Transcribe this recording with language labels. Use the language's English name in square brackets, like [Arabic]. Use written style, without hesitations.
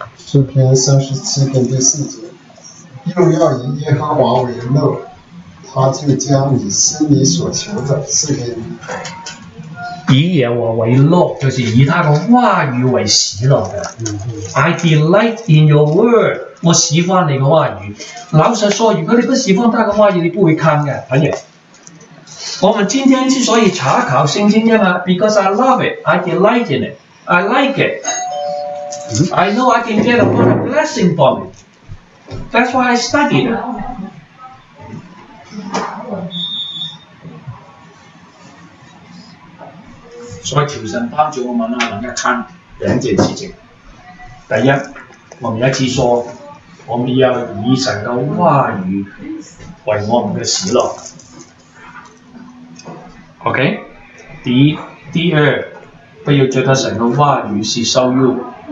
[Chinese] 诗篇三十七篇第四节，又要以耶和华为乐，他就将你心里所求的赐给你。以耶和华为乐，就是以他的话语为喜乐的。 [English] I delight in your word， [Chinese] 我喜欢你的话语。老实说，如果你不喜欢他的话语，你不会看的，朋友。我们今天之所以查考圣经的嘛 [English] ，because I love it, I delight in it, I like it, I know I can get a lot of blessing from it. That's why I study it. [Chinese] 所以求神帮助我们呢，能够看两件事情。第一，我们要去说，我们要以神的话语为我们的喜乐。 OK， 第二，不要觉得神的话语是羞辱。